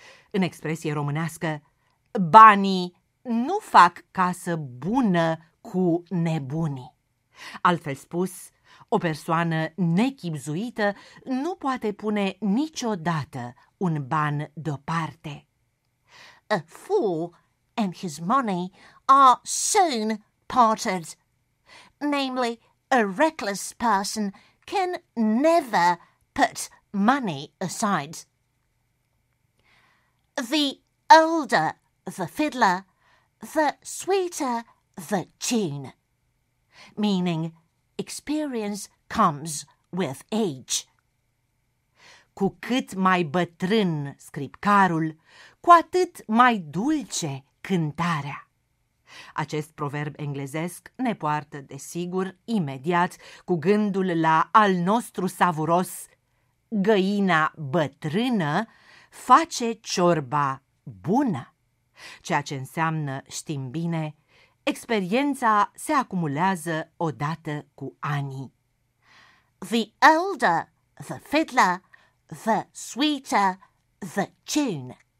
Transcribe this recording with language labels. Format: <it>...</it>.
<ro>În expresie românească, banii nu fac casă bună cu nebunii. Altfel spus, o persoană nechibzuită nu poate pune niciodată un ban deoparte.</ro> <en>A fool and his money are soon parted. Namely, a reckless person can never put money aside. The older the fiddler, the sweeter the tune. Meaning, experience comes with age.</en> <ro>Cu cât mai bătrân scripcarul, cu atât mai dulce cântarea. Acest proverb englezesc ne poartă, desigur, imediat cu gândul la al nostru savuros: găina bătrână face ciorba bună. Ceea ce înseamnă, știm bine, experiența se acumulează odată cu anii.</ro> <en>The older the fiddler, the sweeter the tune.</en>